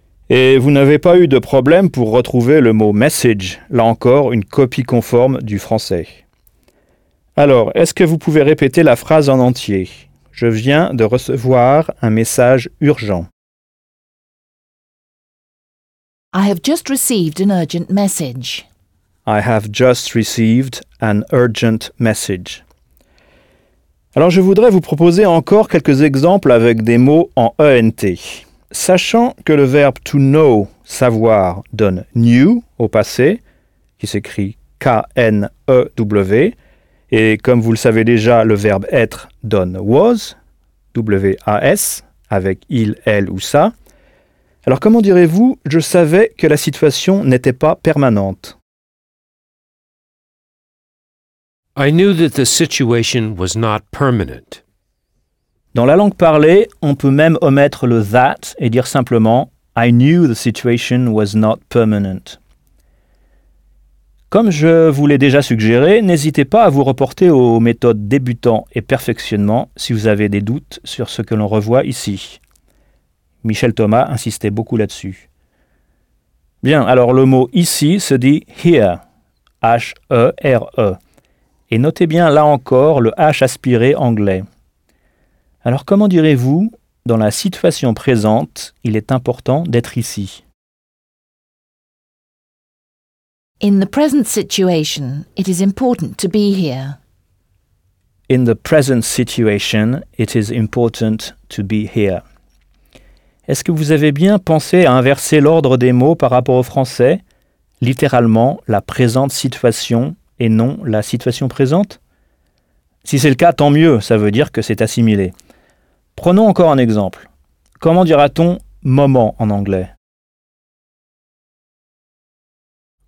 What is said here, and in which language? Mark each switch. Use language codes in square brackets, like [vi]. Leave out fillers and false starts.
[fr] Et vous n'avez pas eu de problème pour retrouver le mot message, là encore une copie conforme du français. Alors, est-ce que vous pouvez répéter la phrase en entier ? Je viens de recevoir un message urgent. [en] I have just received an urgent message. I have just received an urgent message. [fr] Alors, je voudrais vous proposer encore quelques exemples avec des mots en ENT. Sachant que le verbe to know, savoir, donne knew au passé, qui s'écrit K-N-E-W, et comme vous le savez déjà, le verbe être donne was, W-A-S, avec il, elle ou ça. Alors comment direz-vous, je savais que la situation n'était pas permanente. [en] I knew that the situation was not permanent. [fr] Dans la langue parlée, on peut même omettre le « that » et dire simplement « [en] I knew the situation was not permanent ». [fr] Comme je vous l'ai déjà suggéré, n'hésitez pas à vous reporter aux méthodes débutant et perfectionnement si vous avez des doutes sur ce que l'on revoit ici. Michel Thomas insistait beaucoup là-dessus. Bien, alors le mot « ici » se dit « here », H-E-R-E. Et notez bien là encore le « h » aspiré anglais. Alors comment direz-vous, dans la situation présente, il est important d'être ici? [en] In the present situation, it is important to be here. In the present situation, it is important to be here. [fr] Est-ce que vous avez bien pensé à inverser l'ordre des mots par rapport au français? Littéralement, la présente situation et non la situation présente? Si c'est le cas, tant mieux, ça veut dire que c'est assimilé. Prenons encore un exemple. Comment dira-t-on « moment » en anglais ?